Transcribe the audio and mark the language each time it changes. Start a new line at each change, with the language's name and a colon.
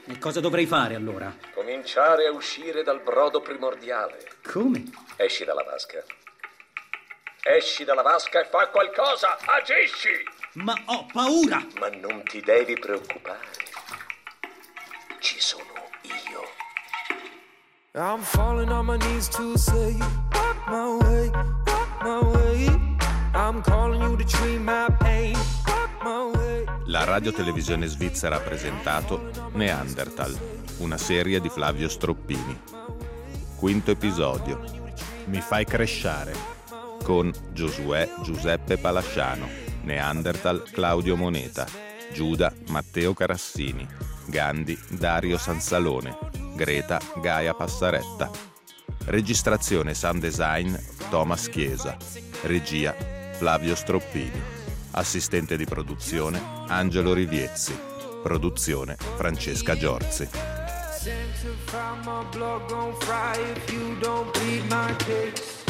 Italian: E cosa dovrei fare allora? Cominciare a uscire dal brodo primordiale. Come? Esci dalla vasca. Esci dalla vasca e fa qualcosa! Agisci! Ma ho paura! Ma non ti devi preoccupare. Ci sono io.
English: I'm falling on my knees to say, walk my way, walk my way. I'm calling you to treat my pain, walk my way.
Italian: La radiotelevisione svizzera ha presentato Neanderthal, una serie di Flavio Stroppini. Quinto episodio. Mi fai crescere. Con Giosuè Giuseppe Palasciano, Neanderthal Claudio Moneta, Giuda Matteo Carassini, Gandhi Dario Sansalone, Greta Gaia Passaretta. Registrazione sound design Thomas Chiesa, regia Flavio Stroppini, assistente di produzione Angelo Riviezzi, produzione Francesca Giorzi.
English: Sent to find my blog on fry if you don't beat my case.